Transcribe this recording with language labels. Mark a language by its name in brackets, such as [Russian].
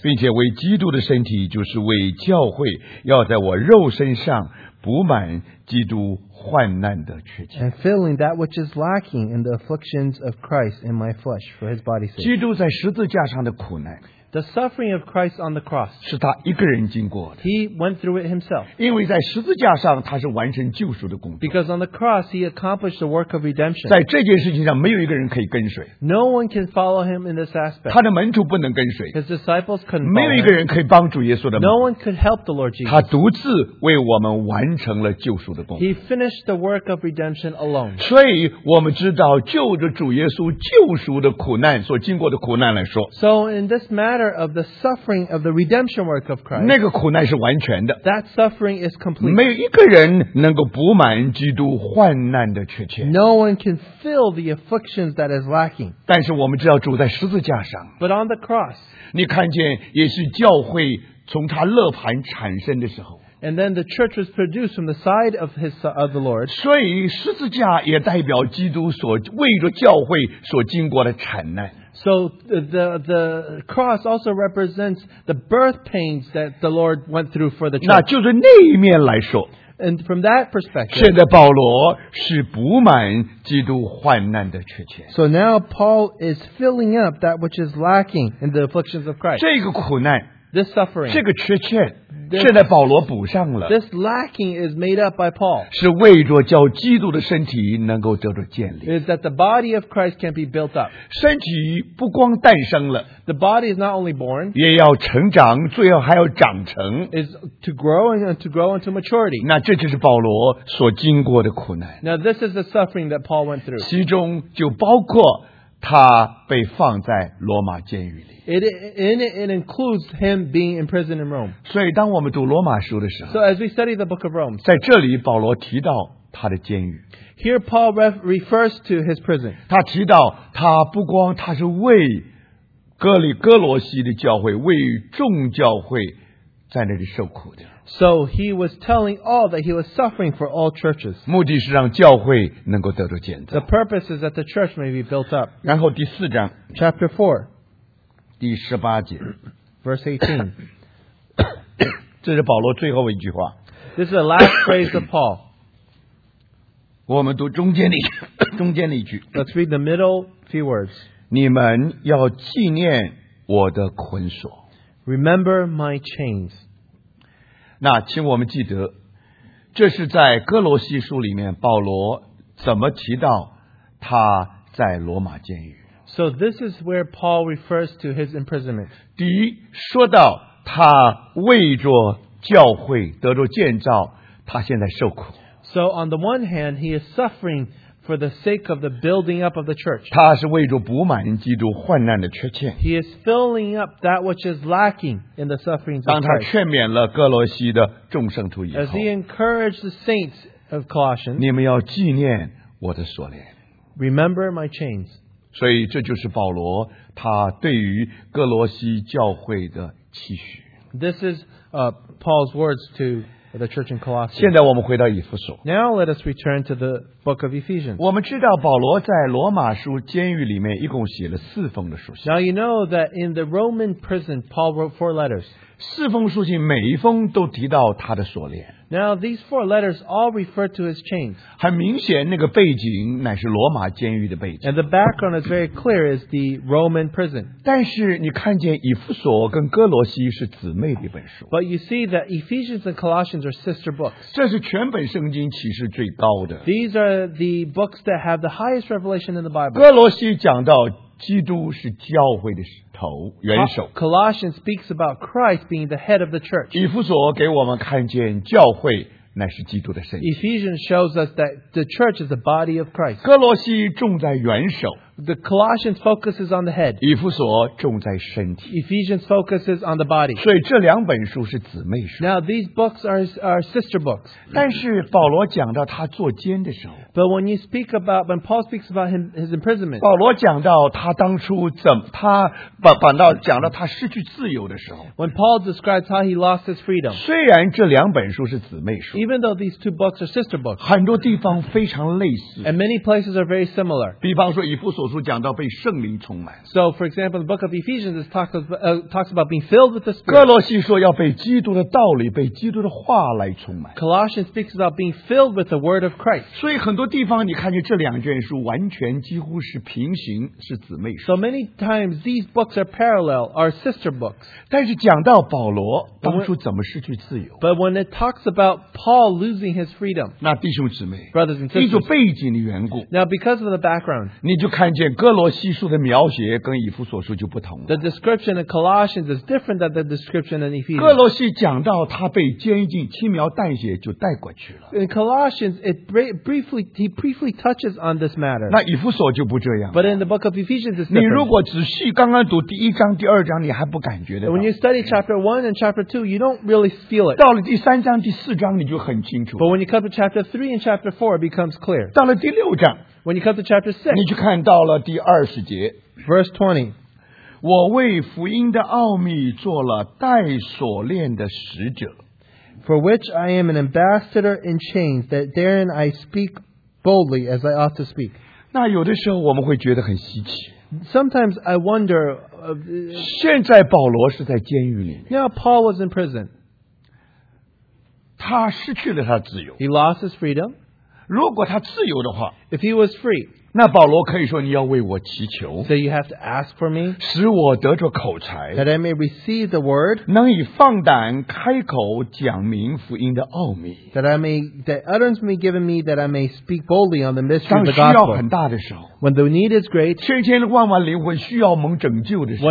[Chinese] 并且为基督的身体，就是为教会，要在我肉身上补满基督患难的缺欠。 [English] And filling that which is lacking in the afflictions of Christ in my flesh for his body's sake. [Chinese] 基督在十字架上的苦难。 [English] The suffering of Christ on the cross. [Chinese] 是他一个人经过的。 [English] He went through it himself. [Chinese] 因为在十字架上他是完成救赎的工作。 [English] Because on the cross he accomplished the work of redemption. [Chinese] 在这件事情上没有一个人可以跟随。 [English] No one can follow him in this aspect. [Chinese] 他的门徒不能跟随。 [English] His disciples couldn't follow him. [Chinese] 没有一个人可以帮主耶稣的门。 [English] No one could help the Lord Jesus. [Chinese] 他独自为我们完成了救赎的工作。 [English] He finished the work of redemption alone. [Chinese] 所以我们知道就着主耶稣救赎的苦难所经过的苦难来说。 [English] So in this matter,of the suffering of the redemption work of Christ. [Chinese] 那个苦难是完全的。 [English] That suffering is complete. [Chinese] 没有一个人能够补满基督患难的缺欠。 [English] No one can fill the afflictions that is lacking. [Chinese] 但是我们知道主在十字架上。 [English] But on the cross. [Chinese] 你看见也是教会从他肋盘产生的时候。 [English] And then the church was produced from the side of his of the Lord. [Chinese] 所以十字架也代表基督所为着教会所经过的惨难。 [English] So the cross also represents the birth pains that the Lord went through for the church. [Chinese] 那就是那一面来说。 [English] And from that perspective, [Chinese] 现在保罗是补满基督患难的缺欠。 [English] So now Paul is filling up that which is lacking in the afflictions of Christ. [Chinese] 这个苦难 [English] ，this suffering， [Chinese] 这个缺欠。现在保罗补上了。 [English] This lacking is made up by Paul. [Chinese] 是为着叫基督的身体能够得着建立。 [English] Is that the body of Christ can be built up. [Chinese] 身体不光诞生了。 [English] The body is not only born. [Chinese] 也要成长，最后还要长成。 [English] Is to grow and to grow into maturity. [Chinese] 那这就是保罗所经过的苦难。 [English] Now this is the suffering that Paul went through. [Chinese] 其中就包括他被放在罗马监狱里。 [English] It includes him being imprisoned in Rome. [Chinese] 所以当我们读罗马书的时候 [English] So as we study the book of Rome, [Chinese] 在这里保罗提到他的监狱。 [English] Here Paul refers to his prison. [Chinese] 他提到他不光他是为哥里哥罗西的教会为众教会在那里受苦的。 [English] So he was telling all that he was suffering for all churches. [Chinese] 目的是让教会能够得到建造。 [English] The purpose is that the church may be built up. [Chinese] 然后第四章 [English] Chapter 4 [Chinese] 第十八节 [English] Verse 18 [Chinese] 这是保罗最后一句话 [English] This is the last phrase of Paul. [Chinese] 我们读中间的一句, 中间的一句 [English] Let's read the middle few words. [Chinese] 你们要纪念我的捆锁 [English] Remember my chains. [Chinese] 那请我们记得这是在哥罗西书里面保罗怎么提到他在罗马监狱 [English] So this is where Paul refers to his imprisonment [Chinese] 第一说到他为着教会得着建造他现在受苦 [English] So on the one hand he is suffering for the sake of the building up of the church [Chinese] 他是为着补满基督患难的缺欠 [English] He is filling up that which is lacking in the sufferings of Christ [Chinese] 当他劝勉了哥罗西的众圣徒以后 [English] As he encouraged the saints of Colossians [Chinese] 你们要纪念我的锁链 [English] Remember my chains [Chinese] 所以这就是保罗他对于哥罗西教会的期许 [English] This is Paul's words to the church in Colossae. [Chinese] 现在我们回到以弗所。 [English] Now let us return to the book of Ephesians. [Chinese] 我们知道保罗在罗马书监狱里面一共写了四封的书信。 [English] Now you know that in the Roman prison, Paul wrote four letters. [Chinese] 四封书信每一封都提到他的锁链。 [English] Now these four letters all refer to his chains. [Chinese] 很明显那个背景乃是罗马监狱的背景。 [English] And the background is very clear is the Roman prison. [Chinese] 但是你看见以弗所跟哥罗西是姊妹的一本书。 [English] But you see that Ephesians and Colossians are sister books. [Chinese] 这是全本圣经启示最高的。 [English] These are the books that have the highest revelation in the Bible. [Chinese] 哥罗西讲到基督是教会的头元首。 [English] Colossians speaks about Christ being the head of the church. [Chinese] 以弗所给我们看见教会乃是基督的身体。 [English] Ephesians shows us that the church is the body of Christ. [Chinese] 哥罗西重在元首。 [English] The Colossians focuses on the head. [Chinese] 以弗所重在身体。 [English] Ephesians focuses on the body. [Chinese] 所以这两本书是姊妹书。 [English] Now these books are sister books. [Chinese] 但是保罗讲到他坐监的时候。 [English] But when you speak about, when Paul speaks about him, his imprisonment. [Chinese] 保罗讲到他当初怎么他反倒讲到他失去自由的时候。 [English] When Paul describes how he lost his freedom. [Chinese] 虽然这两本书是姊妹书。 [English] Even though these two books are sister books. [Chinese] 很多地方非常类似。 [English] And many places are very similar. [Chinese] 比方说以弗所讲到被圣灵充满。 [English] So, for example, the book of Ephesians talks about being filled with the Spirit. [Chinese] 哥罗西说要被基督的道理、被基督的话来充满。 [English] Colossians speaks about being filled with the Word of Christ. [Chinese] 所以很多地方你看见这两卷书完全几乎是平行，是姊妹书。 [English] So many times these books are parallel, are sister books. [Chinese] 但是讲到保罗当初怎么失去自由。 [English] But when it talks about Paul losing his freedom, [Chinese] 那弟兄姊妹 [English] brothers and sisters, [Chinese] 因着背景的缘故。 [English] Now, because of the background, [Chinese] 你就看。哥罗西书的描写跟以弗所书就不同了。 [English] The description in Colossians is different than the description in Ephesians. [Chinese] 哥罗西讲到他被监禁，轻描淡写就带过去了。 [English] In Colossians, he briefly touches on this matter. [Chinese] 那以弗所就不这样。 [English] But in the book of Ephesians, it's different. [Chinese] 你如果仔细刚刚读第一章、第二章，你还不感觉的。 [English] When you study chapter 1 and chapter 2, you don't really feel it. [Chinese] 到了第三章、第四章，你就很清楚。 [English] But when you come to chapter 3 and chapter 4, it becomes clear. [Chinese] 到了第六章。 [English] When you come to chapter 6, [Chinese] 你就看到了第二十节 [English] Verse 20, [Chinese] 我为福音的奥秘做了带锁链的使者 [English] For which I am an ambassador in chains, that therein I speak boldly as I ought to speak. [Chinese] 那有的时候我们会觉得很稀奇 [English] Sometimes I wonder, [Chinese] 现在保罗是在监狱里面 [English] Now Paul was in prison. [Chinese] 他失去了他的自由 [English] He lost his freedom. [Chinese] 如果他自由的话 [English] If he was free, [Chinese] 那保罗可以说你要为我祈求 [English] So you have to ask for me [Chinese] 使我得着口才 [English] That I may receive the word [Chinese] 能以放胆开口讲明福音的奥秘 [English] That utterance may be given me That I may speak boldly on the mystery of the gospel [Chinese] 当需要很大的时候 [English] When the need is great [Chinese] 千千万万灵魂需要蒙拯救的时候